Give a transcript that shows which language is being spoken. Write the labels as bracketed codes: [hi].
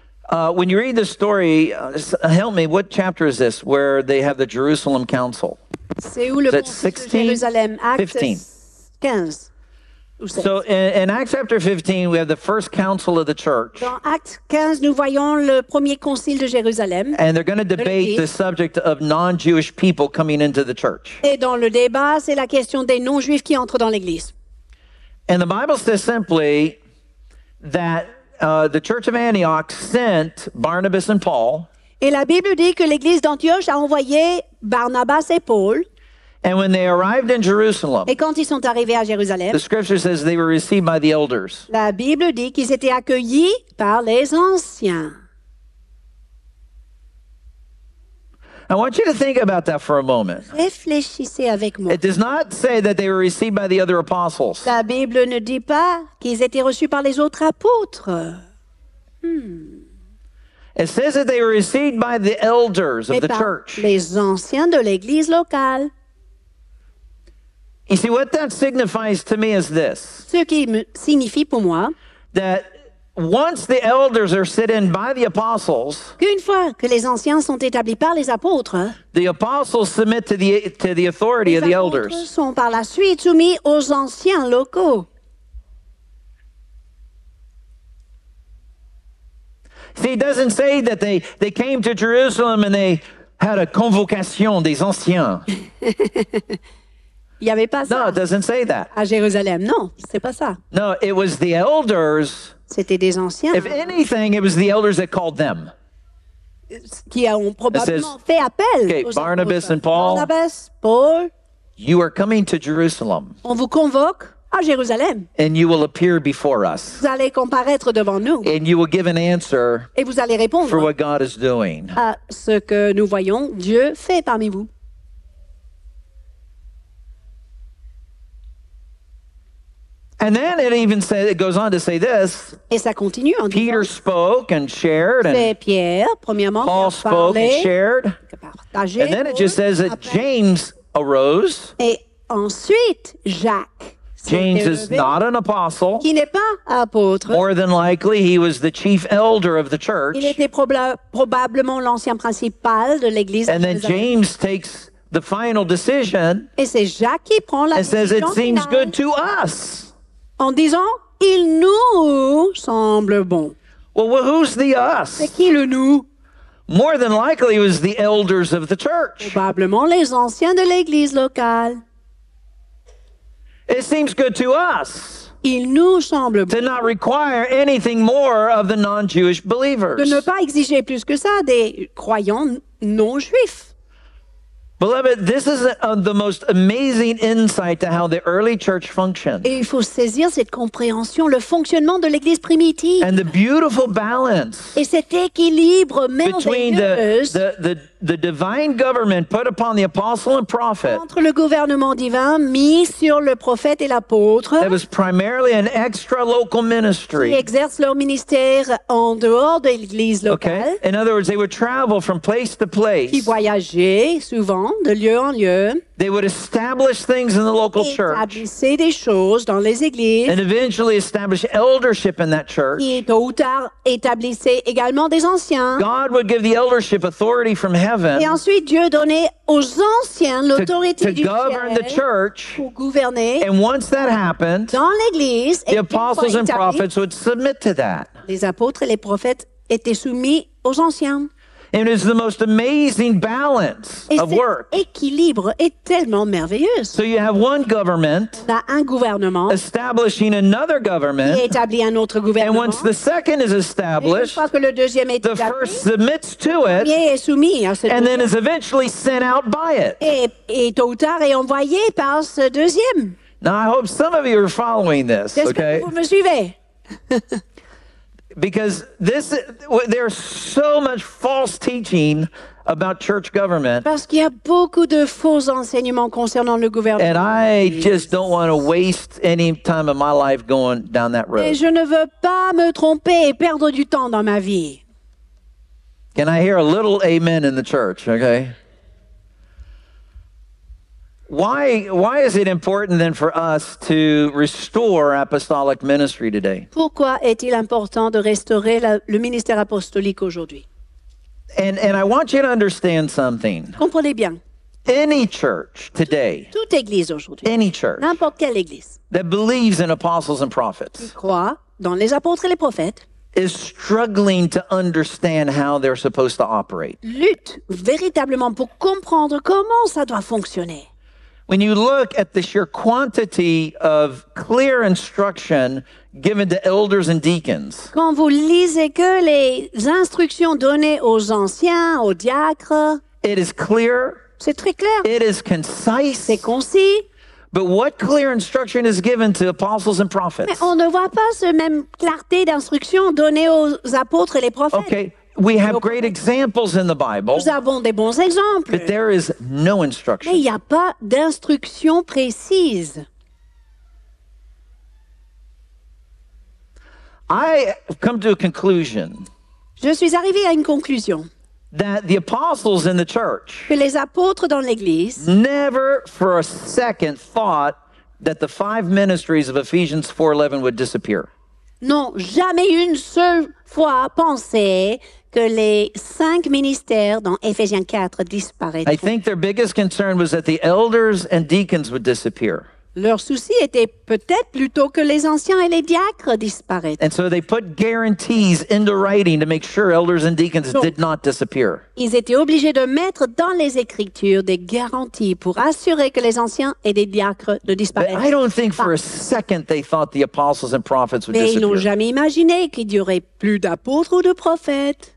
[en] When you read the story, help me, what chapter is this where they have the Jerusalem Council? [fr] C'est où le conseil de Jérusalem? Acts 15. [en] So in Acts chapter 15, we have the first council of the church. [fr] Dans Acts 15, nous voyons le premier concile de Jérusalem. [en] And they're going to debate the subject of non-Jewish people coming into the church. [fr] Et dans le débat, c'est la question des non-juifs qui entrent dans l'église. [en] And the Bible says simply that the church of Antioch sent Barnabas and Paul. [fr] Et la Bible dit que l'église d'Antioche a envoyé Barnabas et Paul. [en] And when they arrived in Jerusalem, [fr] et quand ils sont arrivés à Jérusalem, [en] the scripture says they were received by the elders. [fr] La Bible dit qu'ils étaient accueillis par les anciens. [en] I want you to think about that for a moment. [fr] Réfléchissez avec moi. [en] It does not say that they were received by the other apostles. [fr] La Bible ne dit pas qu'ils étaient reçus par les autres apôtres. [en] It says that they were received by the elders of the church. [fr] Les anciens de l'église locale. [en] You see, what that signifies to me is this. [fr] Ce qui signifie pour moi. [en] That once the elders are set in by the apostles, [fr] qu'une fois que les anciens sont établis par les apôtres, [en] the apostles submit to the authority of the elders. [fr] Les apôtres sont par la suite soumis aux anciens locaux. [en] See, it doesn't say that they came to Jerusalem and they had a [fr] convocation des anciens. Il n'y avait pas ça. [en] No, it doesn't say that. [fr] À Jérusalem, non, c'est pas ça. [en] No, it was the elders. [fr] C'était des anciens. [en] If anything, it was the elders that called them. [fr] Qui ont probablement fait appel. [en] Okay, Barnabas and Paul. [fr] Barnabas, Paul. [en] You are coming to Jerusalem. [fr] On vous convoque à Jérusalem. [en] And you will appear before us. [fr] Vous allez comparaître devant nous. [en] And you will give an answer. [fr] Et vous allez répondre. [en] For what God is doing. [fr] À ce que nous voyons Dieu fait parmi vous. [en] And then it even says, it goes on to say this. [fr] Et ça continue en [en] Peter spoke and shared. And [fr] Pierre, premièrement, [en] Paul spoke [fr] parlé, [en] and shared. [fr] Partagé, [en] and then it just says that [fr] après, [en] James arose. [fr] Et ensuite, Jacques [en] James is not an apostle. [fr] Qui n'est pas apôtre. [en] More than likely, he was the chief elder of the church. [fr] Il était probablement l'ancien principal de l'église. [en] And then James takes the final decision. [fr] Et c'est Jacques qui prend la [en] and says it seems good to us. [fr] En disant, il nous semble bon. [en] Well, who's the us? [fr] C'est qui le nous? [en] More than likely, it was the elders of the church. [fr] Probablement les anciens de l'église locale. [en] It seems good to us. [fr] Il nous semble [en] to not require anything more of the non-Jewish believers. [fr] De ne pas exiger plus que ça des croyants non-juifs. [en] Beloved, this is the most amazing insight to how the early church functioned. [fr] Et il faut saisir cette compréhension, le fonctionnement de l'église primitive. [en] And the beautiful balance. [fr] Et cet équilibre [en] between the divine government put upon the apostle and prophet. [fr] Entre le gouvernement divin mis sur le prophète et l'apôtre. [en] That was primarily an extra local ministry. [fr] Qui exercent leur ministère en dehors de l'église locale. [en] Okay. In other words, they would travel from place to place. [fr] Qui voyageaient souvent de lieu en lieu. [en] They would establish things in the local church. [fr] Établissaient des choses dans les églises. [en] And eventually establish eldership in that church. [fr] Et tôt ou tard établissaient également des anciens. [en] God would give the eldership authority from heaven. [fr] Et ensuite Dieu donnait aux anciens l'autorité [en] to govern the church. [fr] Pour gouverner. [en] And once that happened, [fr] dans l'église, [en] the apostles and prophets would submit to that. [fr] Les apôtres et les prophètes étaient soumis aux anciens. [en] And it is the most amazing balance [fr] et [en] of work. [fr] Cet équilibre est tellement merveilleux. [en] So you have one government [fr] un gouvernement [en] establishing another government. [fr] Qui établit un autre gouvernement. [en] And once the second is established, [fr] et une fois que le deuxième est [en] the [fr] établi, [en] first submits to it [fr] le premier est soumis à ce [en] and [fr] gouvernement. [en] Then is eventually sent out by it. [fr] Et tôt ou tard est envoyé par ce deuxième. [en] Now I hope some of you are following this. [fr] J'espère [en] okay? [fr] que vous me suivez. [en] Because this, there's so much false teaching about church government. [fr] Parce qu'il y a beaucoup de faux enseignements concernant le gouvernement. [en] And I just don't want to waste any time of my life going down that road. [fr] Et je ne veux pas me tromper et perdre du temps dans ma vie. [en] Can I hear a little amen in the church, okay? Why is it important then for us to restore apostolic ministry today? [fr] Pourquoi est-il important de restaurer le ministère apostolique aujourd'hui? [en] And I want you to understand something. [fr] Comprenez bien. [en] Any church today. [fr] Toute église aujourd'hui. [en] Any church. [fr] N'importe quelle église. [en] That believes in apostles and prophets. [fr] Qui croit dans les apôtres et les prophètes. [en] Is struggling to understand how they're supposed to operate. [fr] Lutte véritablement pour comprendre comment ça doit fonctionner. [en] When you look at the sheer quantity of clear instruction given to elders and deacons. [fr] Quand vous lisez que les instructions données aux anciens, aux diacres. [en] It is clear. [fr] C'est très clair. [en] It is concise. [fr] C'est concis. [en] But what clear instruction is given to apostles and prophets? [fr] Mais on ne voit pas ce même clarté d'instruction donnée aux apôtres et les prophètes. [en] Okay. We have great examples in the Bible. [fr] Nous avons des bons exemples. [en] But there is no instruction. [fr] Mais il n'y a pas d'instruction précise. [en] I have come to a conclusion. [fr] Je suis arrivé à une conclusion. [en] That the apostles in the church. [fr] Que les apôtres dans l'église. [en] Never for a second thought that the five ministries of Ephesians 4:11 would disappear. [fr] Non, jamais une seule fois pensé que les cinq ministères dans Éphésiens 4 disparaîtraient. [en] I think their biggest concern was that the elders and deacons would disappear. [fr] Leur souci était peut-être plutôt que les anciens et les diacres disparaîtraient. [en] And so they put guarantees into writing to make sure elders and deacons [fr] Donc, [en] did not disappear. [fr] Ils étaient obligés de mettre dans les écritures des garanties pour assurer que les anciens et les diacres ne disparaissent [en] pas. I don't think for a second they thought the apostles and prophets would disappear. [fr] Mais ils n'ont jamais imaginé qu'il y aurait plus d'apôtres ou de prophètes.